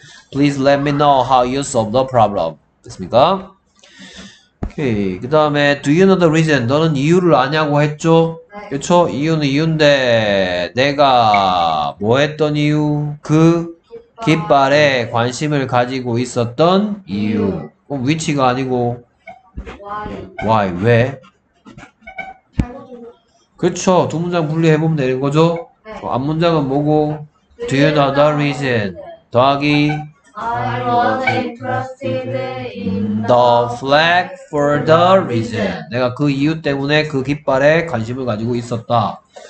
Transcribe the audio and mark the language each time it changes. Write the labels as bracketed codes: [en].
[en] Please let me know how you solve the problem. [ko] 됐습니까? 오케이. 그 다음에 [en] do you know the reason? [ko] 너는 이유를 아냐고 했죠? 네. 그쵸? 이유는 이유인데 내가 뭐 했던 이유? 그 깃발에 관심을 가지고 있었던 이유. 그럼 위치가 아니고 [en] why? [ko] 왜? 왜? 그쵸. 두 문장 분리해보면 되는 거죠? 네. 앞 문장은 뭐고? [en] Do you know the reason? [ko] 더하기 [en] I was interested in the flag for the reason. [ko] 내가 그 이유 때문에 그 깃발에 관심을 가지고 있었다.